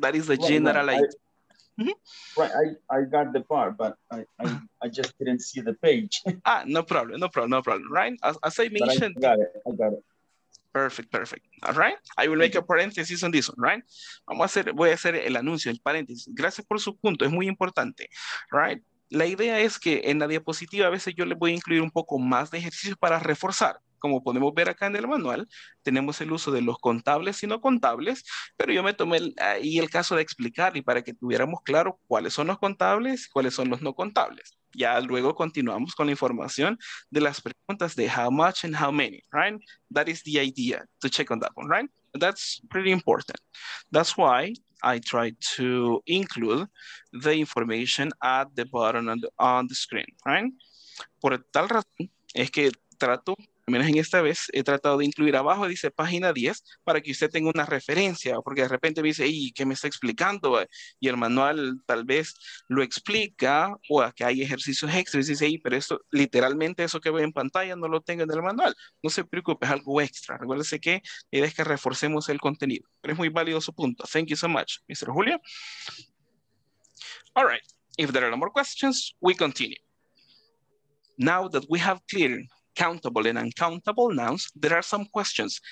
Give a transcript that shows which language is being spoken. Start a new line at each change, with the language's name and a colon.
English: That is the general idea. Right, I got the part, but I just didn't see the page. Ah, no problem, right? As I mentioned. I got it. Perfect. All right. I will make a parenthesis on this one, right?
Spanish: Voy a hacer el anuncio, el paréntesis. Gracias por su punto. Es muy importante, right? La idea es que en la diapositiva a veces yo les voy a incluir un poco más de ejercicios para reforzar. Como podemos ver acá en el manual, tenemos el uso de los contables y no contables, pero yo me tomé ahí el caso de explicarle para que tuviéramos claro cuáles son los contables y cuáles son los no contables. Ya luego continuamos con la información de las preguntas de
English: how much and how many,
Spanish: right?
English: That is the idea to check on that one, right? That's pretty important. That's why I try to include the information at the bottom on the screen, right?
Spanish: Por tal razón es que trato, al menos en esta vez, he tratado de incluir abajo, dice página 10, para que usted tenga una referencia, porque de repente me dice, ¿y qué me está explicando? Y el manual tal vez lo explica, o aquí hay ejercicios extras, dice, ¿y pero esto, literalmente eso que ve en pantalla no lo tengo en el manual? No se preocupe, es algo extra. Recuérdese que la idea es que reforcemos el contenido. Pero es muy válido su punto.
English: Thank you so much,
Spanish: Mr. Julio.
English: All right, if there are no more questions, we continue. Now that we have cleared countable and uncountable nouns, there are some questions.